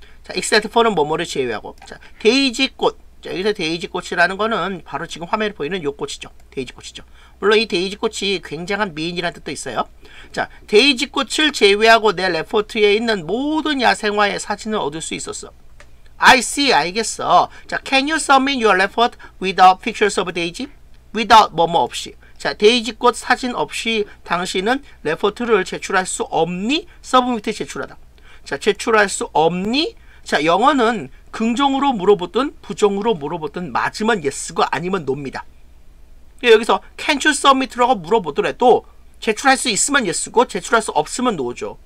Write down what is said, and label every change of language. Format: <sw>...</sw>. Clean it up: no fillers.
<ko>자, except for는 뭐뭐를 제외하고. 자, 데이지 꽃. 자, 여기서 데이지 꽃이라는 거는 바로 지금 화면에 보이는 요 꽃이죠. 데이지 꽃이죠. 물론 이 데이지 꽃이 굉장한 미인이라는 뜻도 있어요. 자, 데이지 꽃을 제외하고 내 레포트에 있는 모든 야생화의 사진을 얻을 수 있었어.</ko> <en>I see, 알겠어.</en> <ko>자,</ko> <en>can you submit your report without pictures of daisy?</en> <ko>Without 뭐뭐 없이. 자, 데이지 꽃 사진 없이 당신은 레포트를 제출할 수 없니? Submit 제출하다. 자, 제출할 수 없니? 자, 영어는 긍정으로 물어보든 부정으로 물어보든 맞으면 yes고 아니면 no입니다. 여기서</ko> <en>can't you submit</en> <ko>라고 물어보더라도 제출할 수 있으면 yes고 제출할 수 없으면 no죠.</ko>